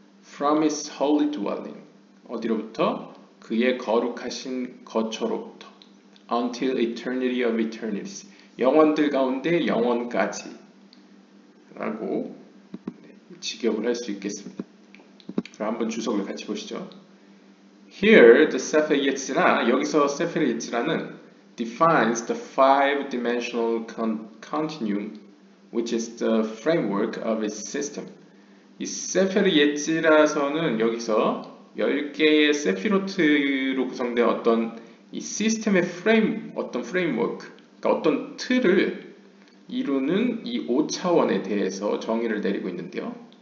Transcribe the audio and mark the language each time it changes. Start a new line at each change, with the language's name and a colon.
English: From his holy dwelling 어디로부터? 그의 거룩하신 거처로부터 Until eternity of eternities.
Korean: 영원들 가운데 영원까지. 라고 직역을 할 수 있겠습니다. 그럼 한번 주석을 같이 보시죠.
English: Here, the Sefer Yetzirah, 여기서 Sefer Yetzirah는 defines the five-dimensional continuum, which is the framework of its system.
Korean: 이 Sefer Yetzirah서는 여기서 10개의 세피로트로 구성된 어떤 이 시스템의 프레임, 어떤 프레임워크, 그러니까 어떤 틀을 이루는 이 5차원에 대해서 정의를 내리고 있는데요.